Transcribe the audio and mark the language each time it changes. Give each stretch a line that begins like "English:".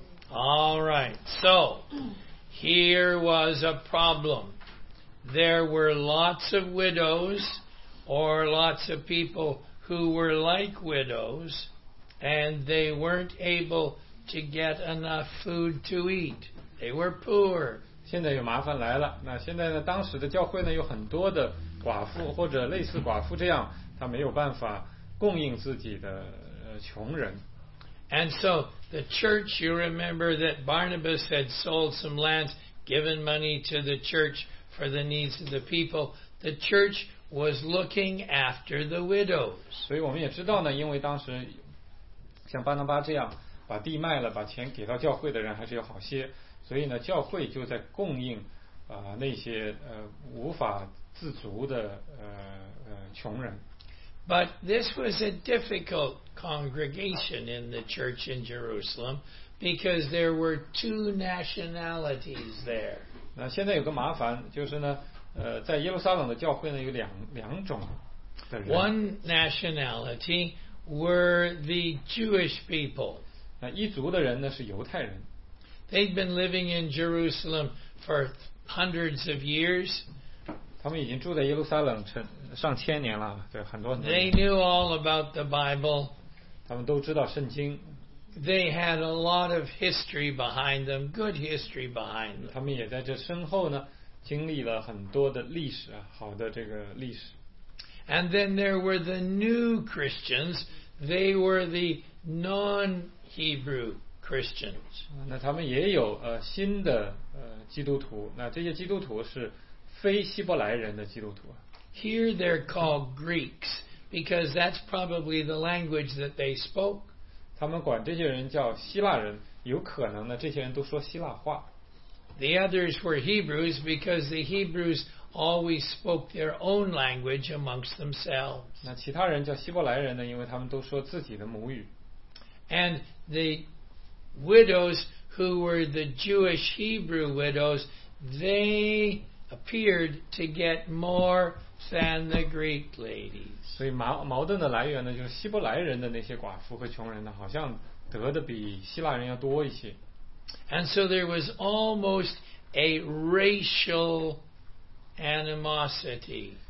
English: All right, so here was a problem. There were lots of widows or lots of people who were like widows, and they weren't able to get enough food to eat. They were poor.
Chinese: 现在有麻烦来了。那现在呢，当时的教会呢有很多的寡妇或者类似寡妇这样，他没有办法供应自己的穷人。
English: And so the church, you remember that Barnabas had sold some land, given money to the church for the needs of the people. The church was looking after the widows.
Chinese: 所以我们也知道呢，因为当时像巴拿巴这样把地卖了，把钱给到教会的人还是有好些，所以呢，教会就在供应那些无法自足的穷人。
English: But this was a difficult congregation in the church in Jerusalem because there were two nationalities there.
Chinese: 那现在有个麻烦，就是呢，在耶路撒冷的教会呢有两种的人。
English: One nationality were the Jewish people.
Chinese: 那一族的人呢是犹太人。
English: They'd been living in Jerusalem for hundreds of years.
Chinese: 他们已经住在耶路撒冷上千年了，对，很多年。
English: They knew all about the Bible.
Chinese: 他们都知道圣经。
English: They had a lot of history behind them, good history behind them.
Chinese: 他们也在这身后呢，经历了很多的历史，好的这个历史。
English: And then there were the new Christians. They were the non-Hebrew Christians.
Chinese: 那他们也有新的基督徒，那这些基督徒是非希伯来人的基督徒。
English: Here they're called Greeks because that's probably the language that they spoke.
Chinese: 他们管这些人叫希腊人，有可能呢，这些人都说希腊话。
English: The others were Hebrews because the Hebrews always spoke their own language amongst themselves.
Chinese: 那其他人叫希伯来人呢，因为他们都说自己的母语。
English: And the widows who were the Jewish Hebrew widows, they appeared to get more. Than the Greek ladies.
Chinese: 所以矛盾的来源呢，就是希伯来人的那些寡妇和穷人呢，好像得的比希腊人要多一些。
English: And so there was almost a racial animosity.